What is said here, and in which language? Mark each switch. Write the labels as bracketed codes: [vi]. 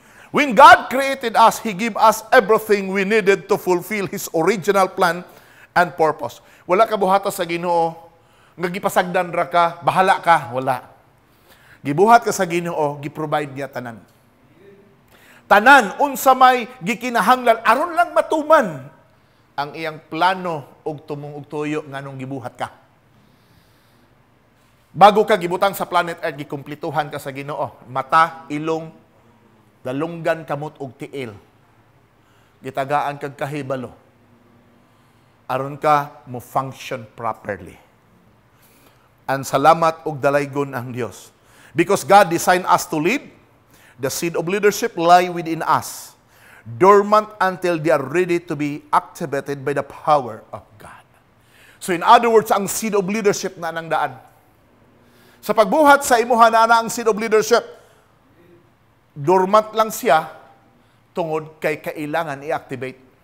[en] When God created us, He gave us everything we needed to fulfill His original plan and purpose. [ceb] Wala ka buhata sa Ginoo, nga gipasagdan ra ka, bahala ka, wala. Gibuhat ka sa Ginoo, giprovide niya tanan. Tanan, unsa may gikinahanglan, aron lang matuman ang iyang plano ug tumong ug tuyo nganong gibuhat ka. Bago ka gibutang sa planet Earth, gikumplituhan ka sa Ginoo. Mata, ilong, dalunggan, kamot ug tiil. Gitagaan kag kahibalo. Aron ka mo function properly. And salamat ug dalaygon ang Dios. [en] Because God designed us to lead, the seed of leadership lie within us, dormant until they are ready to be activated by the power of God. So in other words, ang seed of leadership na nang daan. [ceb] Sa pagbuhat sa imuha na na ang seed of leadership, dormant lang siya tungod kay kailangan i-activate.